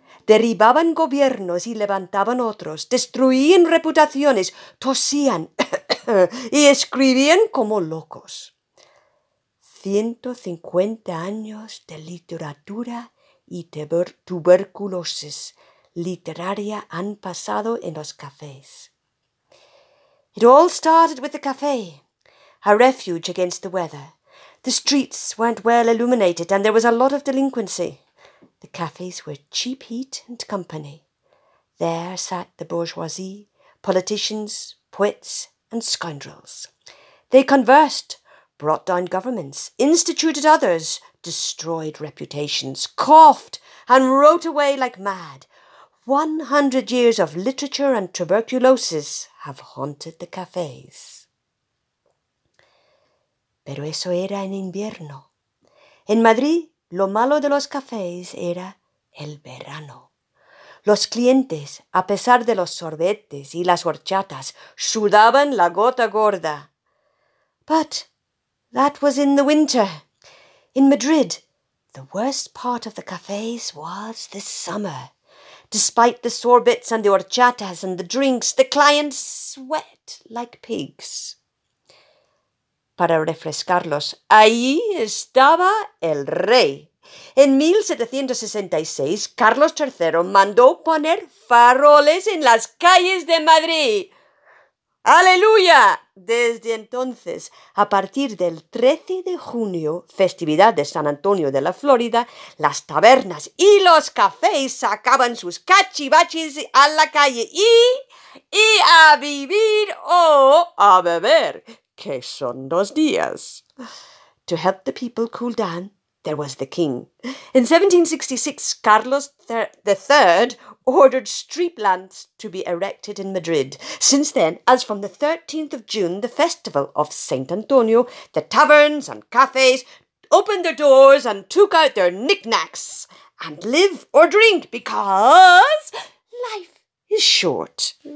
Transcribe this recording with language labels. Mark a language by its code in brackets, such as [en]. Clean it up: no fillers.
[es] Derribaban gobiernos y levantaban otros, destruían reputaciones, tosían y escribían como locos. 150 años de literatura y tuberculosis literaria han pasado en los cafés. [en] It all started with the café, a refuge against the weather. The streets weren't well illuminated and there was a lot of delinquency. The cafes were cheap heat and company. There sat the bourgeoisie, politicians, poets, and scoundrels. They conversed, brought down governments, instituted others, destroyed reputations, coughed, and wrote away like mad. 100 years of literature and tuberculosis have haunted the cafes. [es] Pero eso era en invierno. En Madrid, lo malo de los cafés era el verano. Los clientes, a pesar de los sorbetes y las horchatas, sudaban la gota gorda. [en] But that was in the winter. In Madrid, the worst part of the cafés was the summer. Despite the sorbets and the horchatas and the drinks, the clients sweat like pigs. [es] Para refrescarlos, allí estaba el rey. En 1766, Carlos III mandó poner faroles en las calles de Madrid. ¡Aleluya! Desde entonces, a partir del 13 de junio, festividad de San Antonio de la Florida, las tabernas y los cafés sacaban sus cachivaches a la calle y a vivir o a beber. Que son dos días. [en] To help the people cool down, there was the king. In 1766, Carlos III ordered street lamps to be erected in Madrid. Since then, as from the 13th of June, the festival of Saint Antonio, the taverns and cafes opened their doors and took out their knickknacks and live or drink because life is short.